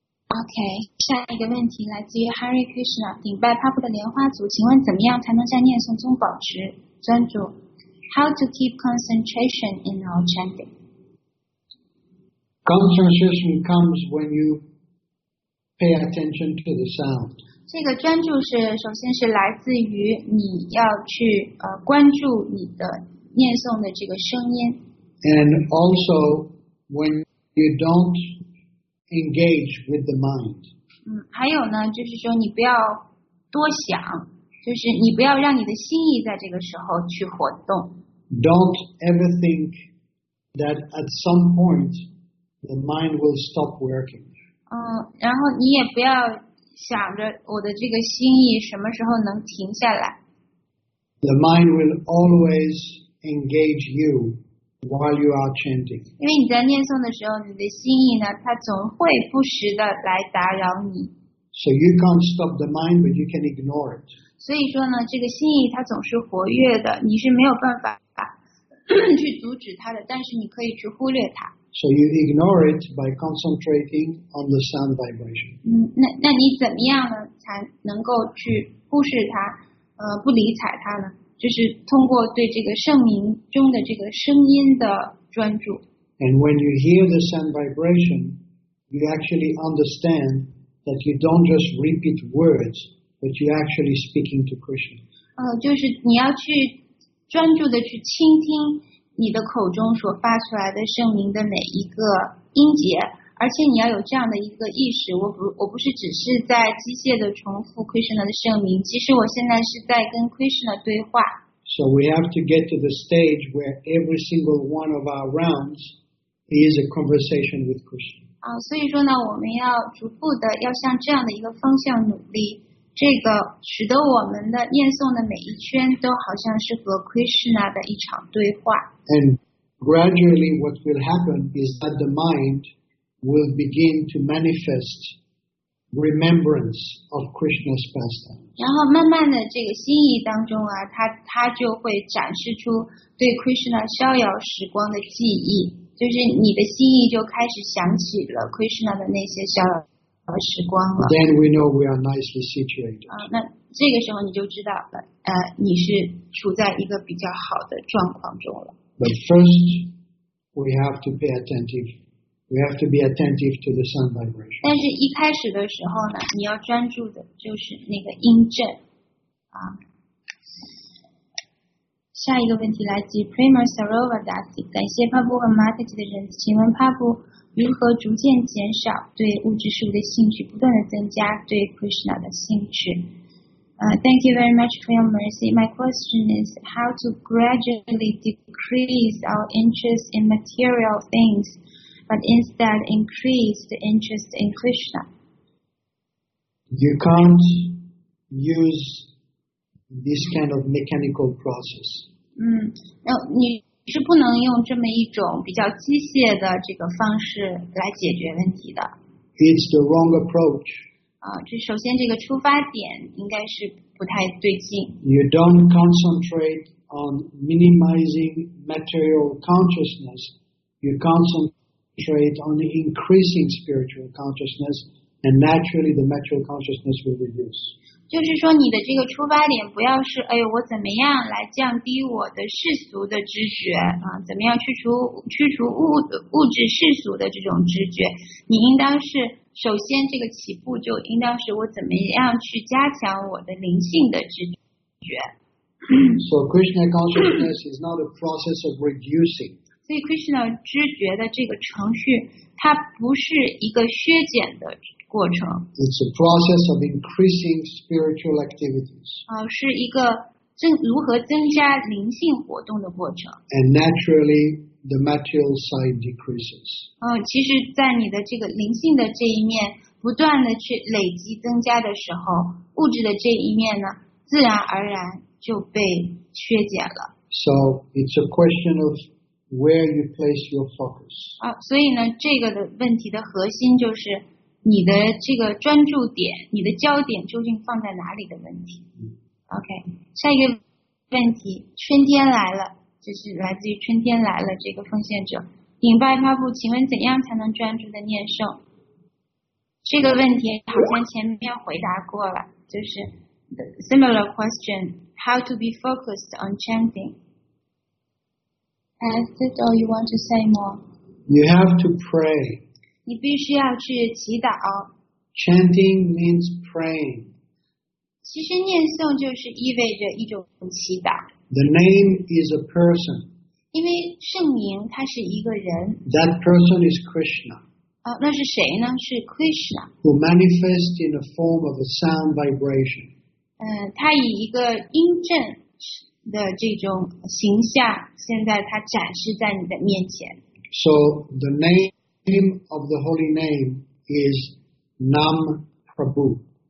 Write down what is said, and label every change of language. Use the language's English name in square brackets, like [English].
[Chinese] OK, 下一个问题来自于 Hare Krishna, 顶拜帕布的莲花组，请问怎么样才能在念诵中保持专注 ? [English] How to keep concentration in our chanting? Concentration comes when you pay attention to the sound. [Chinese] 这个专注是首先是来自于你要去关注你的念诵的这个声音。 [English] And also, when you don't,Engage with the mind. [Chinese] 还有呢，就是说你不要多想，就是你不要让你的心意在这个时候去活动。 [English] Don't ever think that at some point the mind will stop working. [Chinese] 然后你也不要想着我的这个心意什么时候能停下来。 [English] The mind will always engage you. While you are chanting, [Chinese] 因为你在念诵的时候，你的心意呢，它总会不时的来打扰你。 [English] So you can't stop the mind, but you can ignore it. [Chinese] 所以说呢，这个心意它总是活跃的，你是没有办法去阻止它的，但是你可以去忽略它。 [English] So you ignore it by concentrating on the sound vibration. [Chinese] 那你怎么样呢才能够去忽视它不理睬它呢就是通过对这个圣名中的这个声音的专注。 [English] And when you hear the sound vibration, you actually understand that you don't just repeat words, but you're actually speaking to Krishna. [Chinese] 就是你要去专注的去倾听你的口中所发出来的圣名的每一个音节，而且你要有这样的一个意识，我不是只是在机械的重复 Krishna 的圣名，其实我现在是在跟 Krishna 对话。 [English] So we have to get to the stage where every single one of our rounds is a conversation with Krishna. [Chinese] 所以说呢，我们要逐步的要向这样的一个方向努力，这个使得我们的念诵的每一圈都好像是和 Krishna 的一场对话。 [English] And gradually what will happen is that the mind will begin to manifest remembrance of Krishna's pastimes. [Chinese] 然后慢慢的这个心意当中啊它就会展示出对 Krishna 逍遥时光的记忆。就是你的心意就开始想起了 Krishna 的那些逍遥。 [English] Then we know we are nicely situated. [Chinese] 那这个时候你就知道了，你是处在一个比较好的状况中了。 [English] But first, we have to pay attentive. We have to be attentive to the sound vibration. [Chinese] 但是一开始的时候呢，你要专注的就是那个音震啊。下一个问题来自 Prima Sarovadasi， 感谢帕布和 Marketi 的人，请问帕布。如何逐渐减少对物质事物的兴趣，不断的增加对 Krishna 的兴趣。 [English] Thank you very much for your mercy. My question is how to gradually decrease our interest in material things, but instead increase the interest in Krishna. You can't use this kind of mechanical process. [Chinese] 你是不能用这么一种比较机械的这个方式来解决问题的。 [English] It's the wrong approach. [Chinese] 首先这个出发点应该是不太对劲。 [English] You don't concentrate on minimizing material consciousness. You concentrate on increasing spiritual consciousness, and naturally the material consciousness will reduce. [Chinese] 就是说你的这个出发点不要是哎呦我怎么样来降低我的世俗的知觉怎么样去除物质世俗的这种知觉你应当是首先这个起步就应当是我怎么样去加强我的灵性的知觉。 [English] So Krishna consciousness is not a process of reducing. [Chinese] 所以 Krishna 知觉的这个程序它不是一个削减的过程。 [English] It's a process of increasing spiritual activities. [Chinese] 是一个如何增加灵性活动的过程。 [English] And naturally, the material side decreases. [Chinese] 其实在你的这个灵性的这一面不断的去累积增加的时候物质的这一面呢自然而然就被削减了。 [English] So it's a question of where you place your focus. [Chinese] 所以呢这个的问题的核心就是你的这个专注点你的焦点究竟放在哪里的问题 OK 下一个问题春天来了这是来自于春天来了这个奉献者顶拜发布请问怎样才能专注的念诵这个问题好像前面回答过了就是 [English] similar question how to be focused on chanting is it all you want to say more you have to pray [Chinese] 你必须要去祈祷。 [English] Chanting means praying. [Chinese] 其实念诵就是意味着一种祈祷。 [English] The name is a person. [Chinese] 因为圣名它是一个人。 [English] That person is Krishna. [Chinese] 那是谁呢？是 Krishna. [English] Who manifests in the form of a sound vibration. [Chinese] 他以一个音震的这种形象，现在他展示在你的面前。 [English] So the name. The name of the holy name is Nam Prabhu.